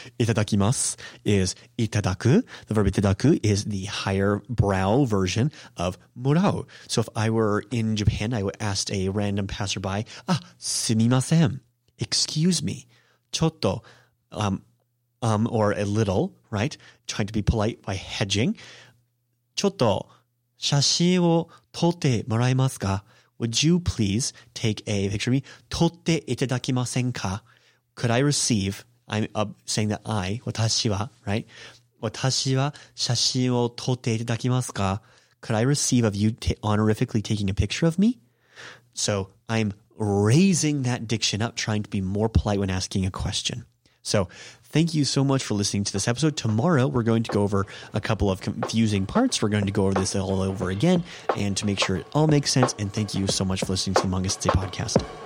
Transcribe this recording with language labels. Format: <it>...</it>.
<en>Itadakimasu is itadaku. The verb itadaku is the higher brow version of morau. So if I were in Japan, I would ask a random passerby,</en> <ja>すみません.</ja> <en>Excuse me. Chotto. Or a little, right? Trying to be polite by hedging.</en> <ja>ちょっと写真を撮ってもらえますか?</ja> <en>Would you please take a picture of me?</en> <ja>撮っていただけませんか?</ja> <en>Could I receive? I'm saying that I,</en> <ja>私は,</ja> <en>right?</en> <ja>私は写真を撮っていただけますか?</ja> <en>Could I receive of you honorifically taking a picture of me? So I'm raising that diction up, trying to be more polite when asking a question. So thank you so much for listening to this episode. Tomorrow, we're going to go over a couple of confusing parts. We're going to go over this all over again and to make sure it all makes sense. And thank you so much for listening to the Manga Sensei podcast.</en>